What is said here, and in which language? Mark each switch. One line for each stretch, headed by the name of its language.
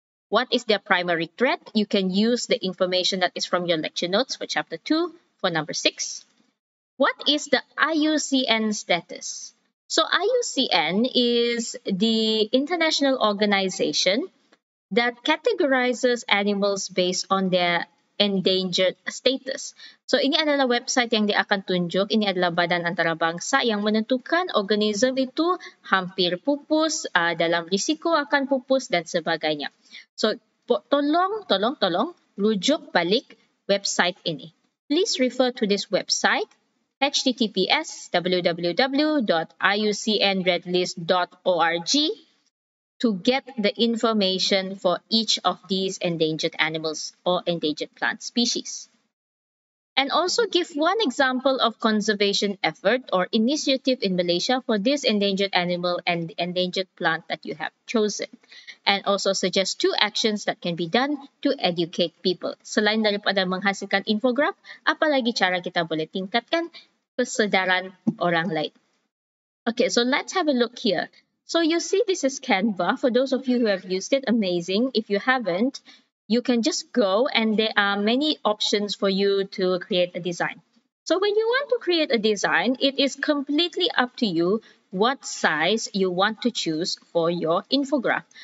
English: What is their primary threat? You can use the information that is from your lecture notes for chapter 2 for number 6. What is the IUCN status? So IUCN is the international organization that categorizes animals based on their endangered status.
Malay: So ini adalah website yang dia akan tunjuk. Ini adalah badan antarabangsa yang menentukan organisme itu hampir pupus, dalam risiko akan pupus dan sebagainya. So tolong rujuk balik website ini.
English: Please refer to this website, https://www.iucnredlist.org, to get the information for each of these endangered animals or endangered plant species. And also give one example of conservation effort or initiative in Malaysia for this endangered animal and endangered plant that you have chosen. And also suggest 2 actions that can be done to educate people.
Malay: Selain daripada menghasilkan infograf, apalagi cara kita boleh tingkatkan kesedaran orang lain.
English: Okay, so let's have a look here. So you see, this is Canva. For those of you who have used it, amazing. If you haven't, you can just go and there are many options for you to create a design. So when you want to create a design, it is completely up to you what size you want to choose for your infograph.